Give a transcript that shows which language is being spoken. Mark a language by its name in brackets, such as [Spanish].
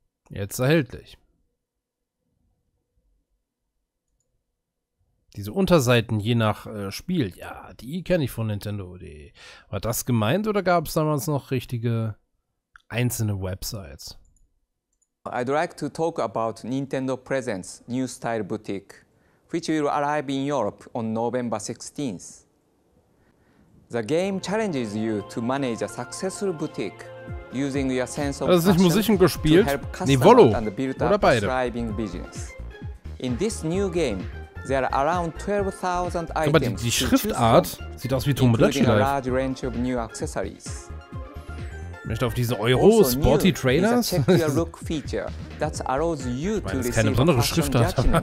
[German] Jetzt erhältlich. Diese Unterseiten je nach Spiel, ja, die kenne ich von Nintendo.de. War das gemeint oder gab es damals noch richtige einzelne Websites? [English] I'd like to talk about Nintendo Presents New Style Boutique, which will arrive in Europe on November 16th. The game challenges you to manage a successful boutique using your sense of passion [German] gespielt? [English] To help customers and build up a thriving business. In this new game, there are around 12,000 items. [German] Aber die Schriftart sieht aus wie Tomodachi Life. [English] Including a large range of new accessories. [German] Möchte auf diese Euro Sporty Trainers. Das ist keine besondere Schriftart.